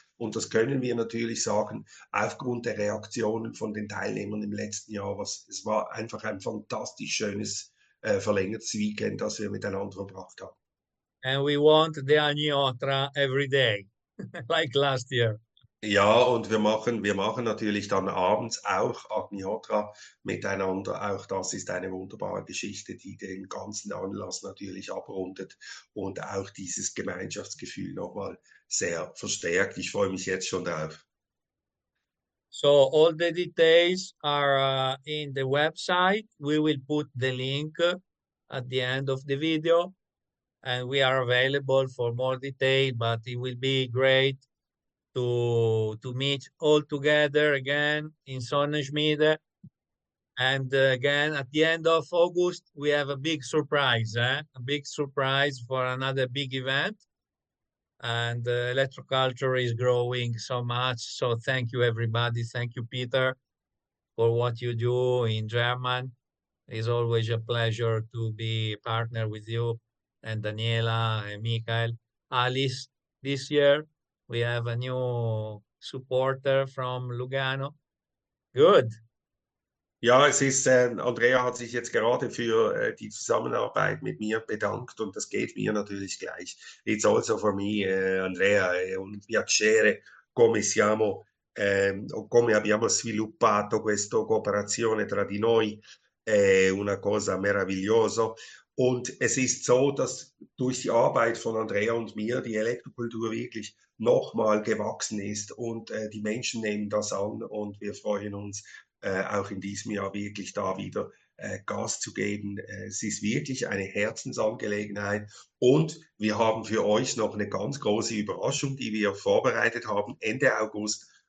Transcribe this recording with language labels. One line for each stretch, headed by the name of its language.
German: Und das können wir natürlich sagen, aufgrund der Reaktionen von den Teilnehmern im letzten Jahr, es war einfach ein fantastisch schönes verlängertes Weekend, das wir miteinander verbracht haben.
English: And we want the Agniotra every day. Like last year.
German: Ja, und wir machen natürlich dann abends auch Agnihotra miteinander. Auch das ist eine wunderbare Geschichte, die den ganzen Anlass natürlich abrundet und auch dieses Gemeinschaftsgefühl nochmal sehr verstärkt. Ich freue mich jetzt schon darauf.
English: So all the details are in the website. We will put the link at the end of the video. And we are available for more detail, but it will be great to meet all together again in Sonnenschmiede. And again, at the end of August, we have a big surprise, eh? A big surprise for another big event. And electroculture is growing so much. So thank you, everybody. Thank you, Peter, for what you do in German. It's always a pleasure to be a partner with you. And Daniela and Michael, Alice, this year we have a new supporter from Lugano. Good.
German: Ja, es ist, Andrea hat sich jetzt gerade für die Zusammenarbeit mit mir bedankt und das geht mir natürlich gleich.
English: It's also for me,
Italian: Andrea, un piacere come abbiamo sviluppato questa cooperazione tra di noi, una cosa meravigliosa.
German: Und es ist so, dass durch die Arbeit von Andrea und mir die Elektrokultur wirklich nochmal gewachsen ist und die Menschen nehmen das an und wir freuen uns, auch in diesem Jahr wirklich da wieder Gas zu geben. Es ist wirklich eine Herzensangelegenheit und wir haben für euch noch eine ganz große Überraschung, die wir vorbereitet haben Ende August.